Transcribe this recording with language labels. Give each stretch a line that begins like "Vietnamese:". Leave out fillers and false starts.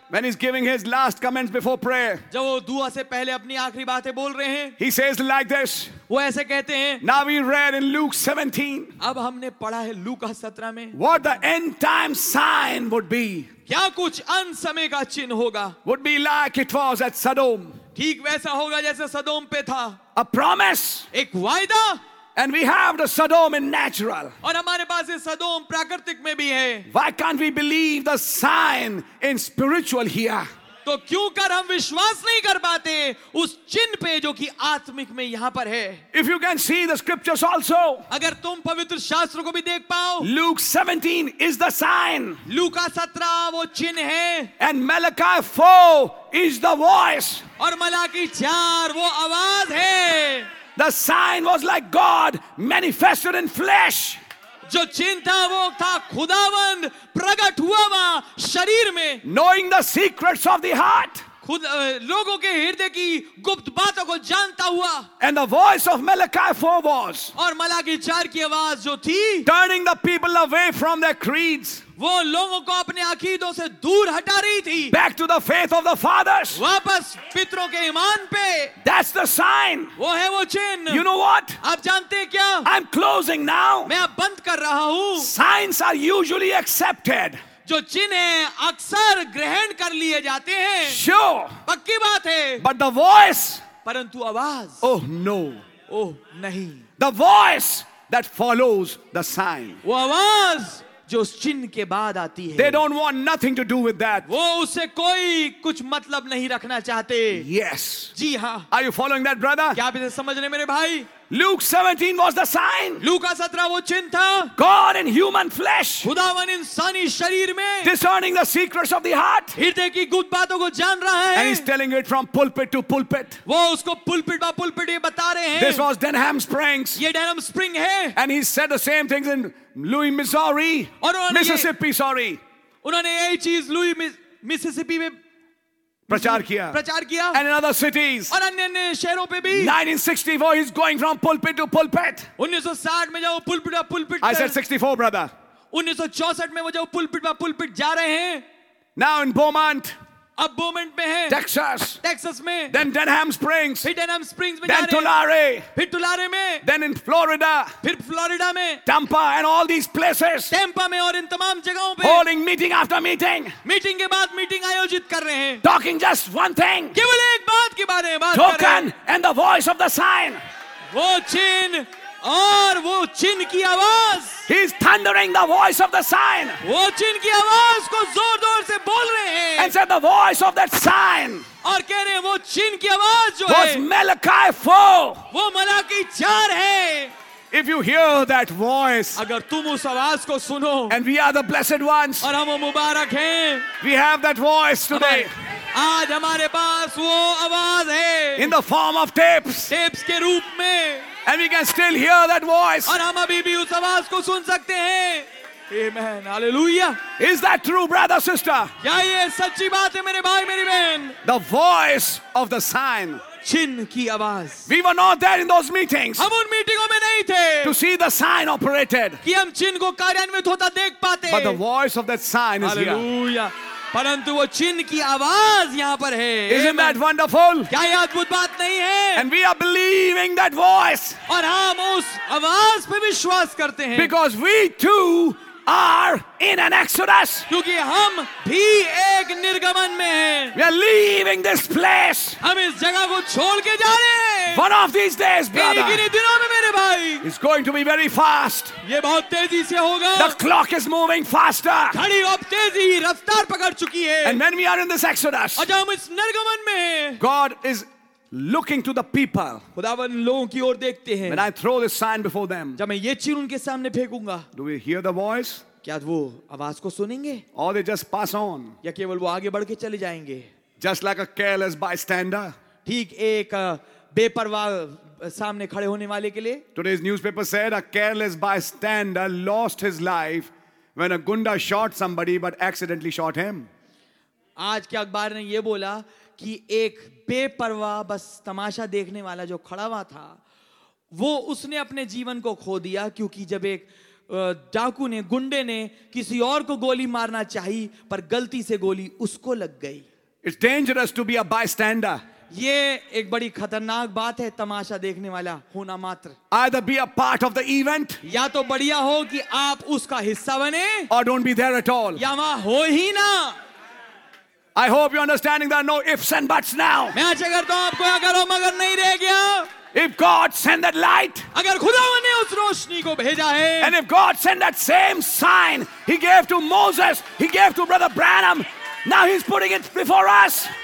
English: when he's giving his last comments before prayer,
Hindi: जब वो दुआ से पहले अपनी आखिरी बातें बोल रहे हैं,
English: he says like this,
Hindi: वो ऐसे कहते हैं,
English: now we read in Luke 17,
Hindi: अब हमने पढ़ा है लूका 17 में,
English: what the end time sign would be,
Hindi: क्या कुछ अंत समय का चिन्ह होगा,
English: would be like it was at Sodom,
Hindi: ठीक वैसा होगा जैसे सदोम पे था,
English: a promise,
Hindi: एक वायदा.
English: And we have the Sodom in natural.
Hindi: और हमारे पास ये सदोम प्राकृतिक में भी है.
English: Why can't we believe the sign in spiritual here?
Hindi: तो क्यों कर हम विश्वास नहीं कर पाते उस चिन्ह पे जो कि आत्मिक में यहाँ पर है.
English: If you can see the scriptures also.
Hindi: अगर तुम पवित्र शास्त्र को भी देख पाओ.
English: Luke 17 is the sign.
Hindi: लूका 17 वो चिन्ह है.
English: And Malachi 4 is the voice.
Hindi: और मलाकी 4 वो आवाज है.
English: The sign was like God manifested in flesh.
Hindi: जो चिंता वो था खुदावंद प्रकट हुआ वहां शरीर में.
English: Knowing the secrets of the heart.
Hindi: खुद लोगों के हृदय की गुप्त बातों को जानता हुआ.
English: And the voice of Malachi 4 was.
Hindi: और मलाकी 4 की आवाज जो थी.
English: Turning the people away from their creeds.
Hindi: वो लोगों को अपने अकीदों से दूर हटा रही थी.
English: Back to the faith of the fathers.
Hindi: वापस पितरों के ईमान पे.
English: That's the sign.
Hindi: वो है वो चिन्ह.
English: You know what?
Hindi: आप जानते हैं क्या?
English: I'm closing now.
Hindi: मैं अब बंद कर रहा हूँ.
English: Signs are usually accepted.
Hindi: जो चिन्ह अक्सर ग्रहण कर लिए जाते हैं.
English: Sure.
Hindi: पक्की बात है.
English: But the voice.
Hindi: परंतु आवाज.
English: Oh no.
Hindi: Oh नहीं.
English: The voice that follows the sign.
Hindi: वो आवाज. जो उस चिन्ह के बाद आती है.
English: They don't want nothing to do with that.
Hindi: वो उसे कोई कुछ मतलब नहीं रखना चाहते.
English: Yes.
Hindi: जी हाँ.
English: Are you following that, brother?
Hindi: क्या आप इसे समझ रहे मेरे भाई?
English: Luke 17 was the sign.
Hindi: लूका 17 वो चिन्ह था.
English: God in human flesh.
Hindi: खुदावन इंसानी शरीर में.
English: Discerning the secrets of the heart.
Hindi: हृदय की गुप्त बातों को जान रहा है.
English: And he's telling it from pulpit to pulpit.
Hindi: वो उसको पुलपिट बा पुलपिट ये बता रहे हैं.
English: This was Denham Springs.
Hindi: ये डेनहम स्प्रिंग है.
English: And he said the same things in Louis, Missouri. Mississippi, sorry.
Hindi: उन्होंने यही चीज लुई मिसिसिपी में प्रचार किया
English: and in other cities.
Hindi: और अन्य शहरों पे भी.
English: 1964 he's going from pulpit to pulpit.
Hindi: 1960 में जाओ पुलपिट बा पुलपिट.
English: I said 64 brother.
Hindi: 1964 में वो जाओ पुलपिट बा पुलपिट जा रहे हैं.
English: Now in Beaumont.
Hindi: अब बोमेंट में है. टेक्सास में.
English: Then Denham Springs.
Hindi: फिर डेनहम स्प्रिंग्स में.
English: Then Tulare.
Hindi: फिर टुलारे में.
English: Then in Florida.
Hindi: फिर फ्लोरिडा में.
English: Tampa and all these places.
Hindi: Tampa में और इन तमाम जगहों पे.
English: Holding meeting after meeting.
Hindi: Meeting के बाद मीटिंग आयोजित कर रहे हैं.
English: Talking just one thing.
Hindi: केवल एक बात के बारे में बात कर रहे हैं.
English: Token and the voice of the sign.
Hindi: वो चिन्ह और वो चिन्ह की आवाज.
English: He's thundering the voice of the sign.
Hindi: वो चिन्ह की आवाज को जोर जोर से बोल रहे हैं.
English: And said the voice of that sign.
Hindi: और कह रहे वो चिन्ह की आवाज जो है.
English: Was Malachi 4.
Hindi: वो मलाकी 4 है.
English: If you hear that voice.
Hindi: अगर तुम उस आवाज को सुनो.
English: And we are the blessed ones.
Hindi: और हम वो मुबारक हैं.
English: We have that voice today.
Hindi: आज हमारे पास वो आवाज है.
English: In the form of tapes.
Hindi: Tapes के रूप में.
English: And we can still hear that voice.
Hindi: और हम अभी भी उस आवाज को सुन सकते हैं.
English: Amen. Hallelujah. Is that true, brother, sister?
Hindi: क्या ये सच्ची बात है मेरे भाई मेरी बहन?
English: The voice of the sign.
Hindi: चिन्ह की आवाज.
English: We were not there in those meetings.
Hindi: हम उन मीटिंगों में नहीं थे.
English: To see the sign operated.
Hindi: कि हम चिन्ह को कार्यान्वित होता देख पाते.
English: But the voice of that sign is here. Hallelujah.
Hindi: परंतु वो चिन्ह की आवाज यहाँ पर है.
English: Isn't that wonderful?
Hindi: क्या ये अद्भुत बात नहीं है?
English: And we are believing that voice.
Hindi: और हम उस आवाज पे विश्वास करते हैं.
English: Because we too are in an exodus.
Hindi: क्योंकि हम भी एक निर्गमन में हैं.
English: We are leaving this place.
Hindi: हम इस जगह को छोड़ के जा रहे हैं.
English: One of these days, brother.
Hindi: इन दिनों में मेरे भाई.
English: It's going to be very fast.
Hindi: ये बहुत तेजी से होगा.
English: The clock is moving faster.
Hindi: घड़ी अब तेजी रफ्तार पकड़ चुकी है.
English: And when we are in this exodus.
Hindi: और जब हम इस निर्गमन में हैं.
English: God is looking to the people.
Hindi: खुदावन लोगों की ओर देखते हैं.
English: When I throw this sign before them.
Hindi: जब मैं ये चीज़ उनके सामने फेंकूंगा.
English: Do we hear the voice?
Hindi: क्या वो आवाज को सुनेंगे?
English: Or they just pass on?
Hindi: या केवल वो आगे बढ़के चले जाएंगे?
English: Just like a careless bystander.
Hindi: ठीक एक बेपरवाह सामने खड़े होने वाले के लिए.
English: Today's newspaper said a careless bystander lost his life when a gunda shot somebody but accidentally shot him.
Hindi: आज के अखबार ने ये बोला कि एक बेपरवाह बस तमाशा देखने वाला जो खड़ा हुआ था वो उसने अपने जीवन को खो दिया क्योंकि जब एक डाकू ने गुंडे ने किसी और को गोली मारना चाही पर गलती से गोली उसको लग गई.
English: It's dangerous to be a bystander.
Hindi: ये एक बड़ी खतरनाक बात है तमाशा देखने वाला होना मात्र.
English: Either be a part of the event.
Hindi: या तो बढ़िया हो कि आप उसका हिस्सा बने.
English: और don't be there at all.
Hindi: या वहां हो ही ना.
English: I hope you're understanding there are no ifs and buts now.
Hindi: मैं आशा करता हूँ आपको अगर और मगर नहीं रह गया.
English: If God send that light,
Hindi: अगर खुदा ने उस रोशनी को भेजा है.
English: And if God send that same sign He gave to Moses, He gave to Brother Branham, now He's putting it before us.